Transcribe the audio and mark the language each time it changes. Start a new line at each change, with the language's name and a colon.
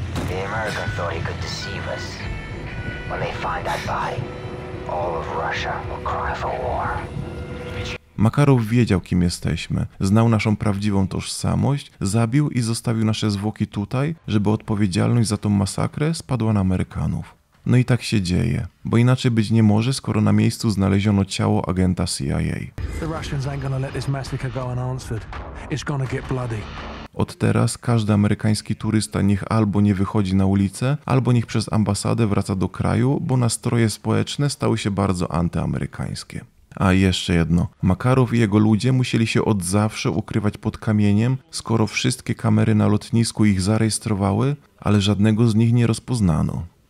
English: America thought he could deceive us. When they find that body, all of Russia will cry for war.
Polish: Makarow wiedział, kim jesteśmy, znał naszą prawdziwą tożsamość, zabił i zostawił nasze zwłoki tutaj, żeby odpowiedzialność za tą masakrę spadła na Amerykanów. No i tak się dzieje, bo inaczej być nie może, skoro na miejscu znaleziono ciało agenta CIA.
English: The Russians ain't gonna let this massacre go unanswered. It's gonna get bloody.
Polish: Od teraz każdy amerykański turysta niech albo nie wychodzi na ulicę, albo niech przez ambasadę wraca do kraju, bo nastroje społeczne stały się bardzo antyamerykańskie. A jeszcze jedno. Makarow i jego ludzie musieli się od zawsze ukrywać pod kamieniem, skoro wszystkie kamery na lotnisku ich zarejestrowały, ale żadnego z nich nie rozpoznano.